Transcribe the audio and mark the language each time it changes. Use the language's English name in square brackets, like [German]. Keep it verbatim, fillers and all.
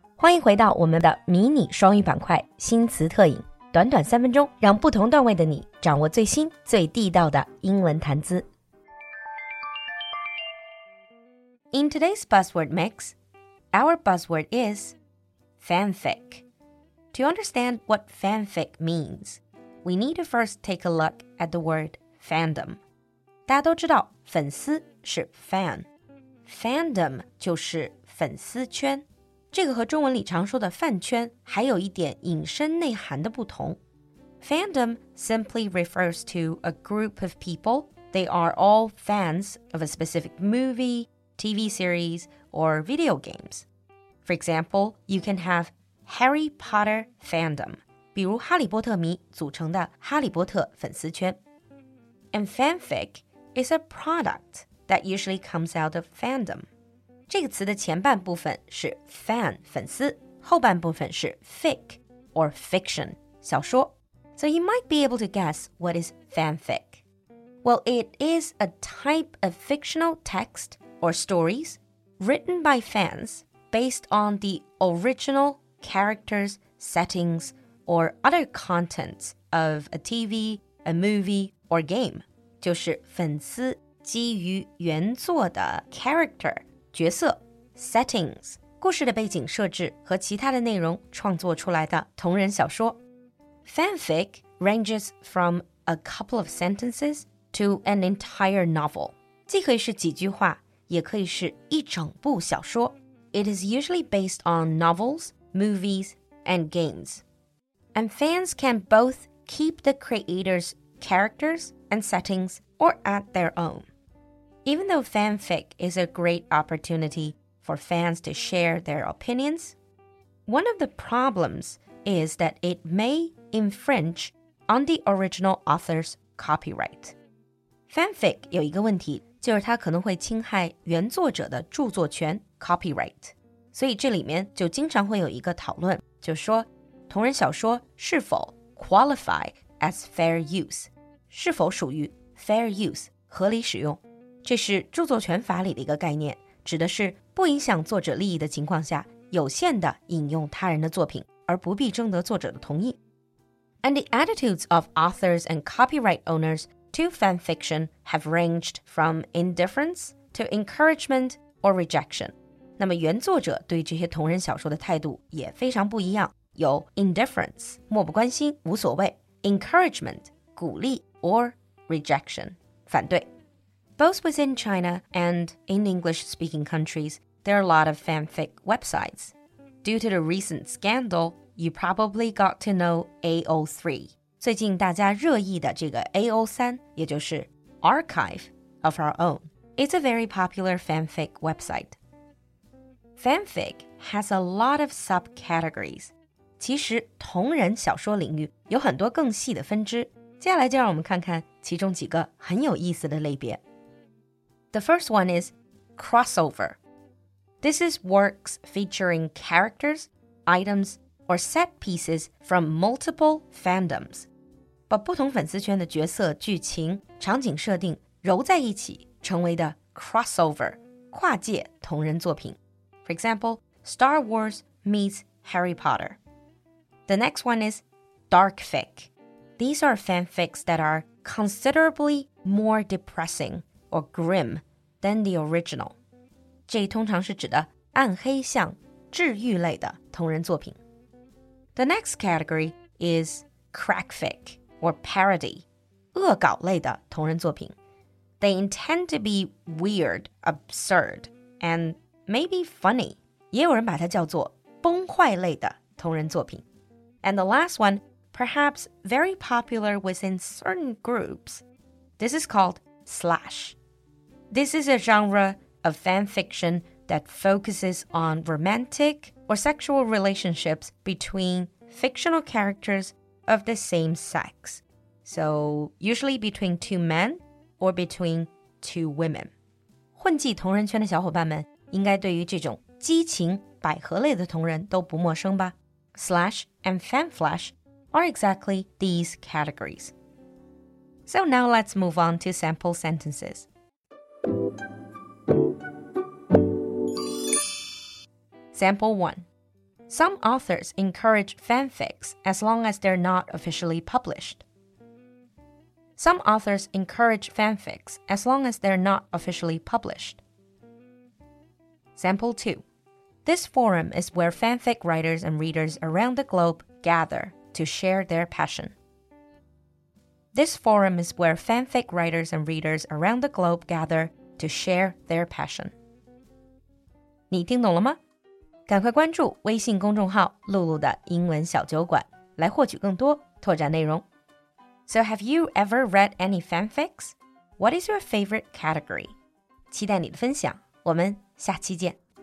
[Chinese] 欢迎回到我们的迷你双语板块新词特饮，短短三分钟，让不同段位的你掌握最新最地道的英文谈资。 [English] In today's Buzzword Mix, our buzzword is fanfic. To understand what fanfic means, we need to first take a look at the word fandom. [Chinese] 大家都知道粉丝是 fan. Fandom 就是粉丝圈，这个和中文里常说的饭圈还有一点引申内涵的不同。 [English] Fandom simply refers to a group of people. They are all fans of a specific movie, T V series, or video games. For example, you can have Harry Potter fandom, [Chinese] 比如哈利波特迷组成的哈利波特粉丝圈。 [English] And fanfic is a product. That usually comes out of fandom. [Chinese] 这个词的前半部分是 fan 粉丝，后半部分是 fic or fiction 小说。 [English] So you might be able to guess what is fanfic. Well, it is a type of fictional text or stories written by fans based on the original characters, settings, or other contents of a T V, a movie, or game. [Chinese] 就是粉丝基于原作的 character 角色 settings 故事的背景设置和其他的内容创作出来的同人小说 [English] Fanfic ranges from a couple of sentences to an entire novel [Chinese] 既可以是几句话也可以是一整部小说 [English] It is usually based on novels, movies, and games. And fans can both keep the creator's characters and settings or add their own. Even though fanfic is a great opportunity for fans to share their opinions, one of the problems is that it may infringe on the original author's copyright. [Chinese] Fanfic 有一个问题，就是它可能会侵害原作者的著作权 copyright. 所以这里面就经常会有一个讨论，就说同人小说是否 [English] qualify as fair use, [Chinese] 是否属于 fair use, 合理使用。这是著作权法里的一个概念，指的是不影响作者利益的情况下，有限地引用他人的作品，而不必征得作者的同意。 [English] And the attitudes of authors and copyright owners to fan fiction have ranged from indifference to encouragement or rejection. [Chinese] 那么原作者对这些同人小说的态度也非常不一样，有 indifference, 漠不关心，无所谓 encouragement, 鼓励 or rejection, 反对。 [English] Both within China and in English-speaking countries, there are a lot of fanfic websites. Due to the recent scandal, you probably got to know A O three. [Chinese] 最近大家热议的这个 A O three, 也就是 Archive of Our Own. [English] It's a very popular fanfic website. Fanfic has a lot of subcategories. [Chinese] 其实同人小说领域有很多更细的分支。接下来就让我们看看其中几个很有意思的类别。 [English] The first one is crossover. This is works featuring characters, items, or set pieces from multiple fandoms. [Chinese] 把不同粉丝圈的角色、剧情、场景设定揉在一起成为的 crossover, 跨界同人作品。 [English] For example, Star Wars meets Harry Potter. The next one is darkfic. These are fanfics that are considerably more depressing. Or grim than the original. [Chinese] 这通常是指的暗黑向治愈类的同人作品。 [English] The next category is crackfic or parody, [Chinese] 恶搞类的同人作品。 [English] They intend to be weird, absurd, and maybe funny. [Chinese] 也有人把它叫做崩坏类的同人作品。 [English] And the last one, perhaps very popular within certain groups. This is called slash. This is a genre of fan fiction that focuses on romantic or sexual relationships between fictional characters of the same sex. So usually between two men or between two women. [Chinese] 混迹同人圈的小伙伴们应该对于这种激情百合类的同人都不陌生吧？ [English] Slash and fanflash are exactly these categories. So now let's move on to sample sentences. Example one. Some authors encourage fanfics as long as they're not officially published. Some authors encourage fanfics as long as they're not officially published. Example two. This forum is where fanfic writers and readers around the globe gather to share their passion. This forum is where fanfic writers and readers around the globe gather to share their passion. [Chinese] 你听懂了吗？赶快关注微信公众号露露的英文小酒馆，来获取更多拓展内容。 [English] So have you ever read any fanfics? What is your favorite category? [Chinese] 期待你的分享，我们下期见。